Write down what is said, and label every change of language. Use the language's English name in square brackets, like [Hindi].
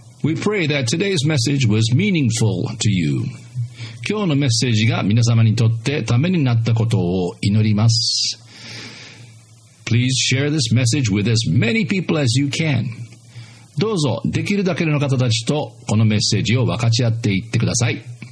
[English] We pray that today's message was meaningful to you. [Japanese] 今日のメッセージが皆様にとってためになったことを祈ります。 [English] Please share this message with as many people as you can. [Japanese] どうぞできるだけの方たちとこのメッセージを分かち合っていってください。